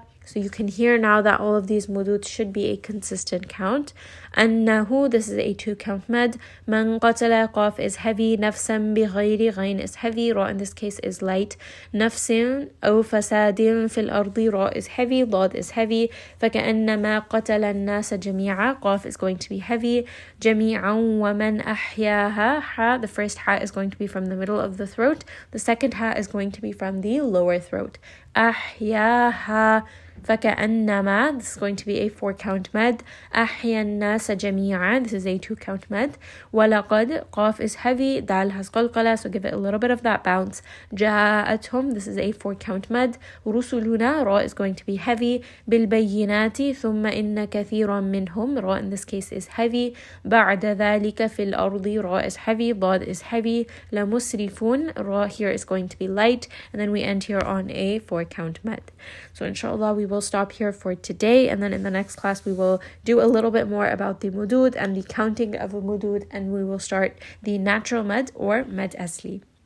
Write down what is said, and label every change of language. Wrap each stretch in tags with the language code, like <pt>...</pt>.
<en>So you can hear now that all of these mudud should be a consistent count. أنه, this is a two count mad.</en> <ar>من قتل قاف</ar> <en>is heavy.</en> <ar>نفسا بغير غين is heavy.</ar> <en>را in this case is light.</en> <ar>نفس أو فساد في الأرض. را</ar> <en>is heavy. ضاد is heavy.</en> <ar>فكأنما قتل الناس جميعا.</ar> <en>قاف is going to be heavy.</en> <ar>جميعا ومن أحياها.</ar> <en>حا, the first ha is going to be from the middle of the throat. The second ha is going to be from the lower throat.</en> <ar>أحياها.</ar> <en>فكأنما, this is going to be a four count mad.</en> <ar>أحيا الناس جميعا,</ar> <en>this is a two count mad. ولقد, قاف is heavy. دال has قلقلة, so give it a little bit of that bounce. جاءتهم, this is a four count mad. رسلنا, را is going to be heavy.</en> <ar>بالبينات ثم إن كثيرا منهم, را</ar> <en>in this case is heavy.</en> <ar>بعد ذلك في الأرض, را</ar> <en>is heavy. ضاد is heavy. لمسرفون, را here is going to be light. And then we end here on a four count mad. So inshallah we will stop here for today, and then in the next class we will do a little bit more about the mudud and the counting of a mudud, and we will start the natural mad or mad asli.</en>